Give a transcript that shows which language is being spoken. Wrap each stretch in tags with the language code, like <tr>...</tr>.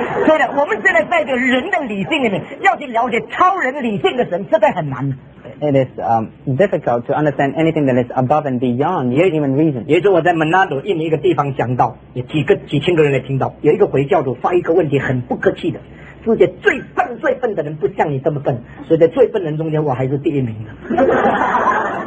<zh>所以我们现在在这个人的理性里面要去了解超人理性的神，实在很难。</zh> <en>It is difficult to understand anything that is above and beyond human reason.</en> <zh>也就我在门纳鲁印尼一个地方讲到，有几千个人来听到，有一个回教徒发一个问题，很不客气的。世界最笨最笨的人不像你这么笨，所以在最笨人中间我还是第一名的。</zh>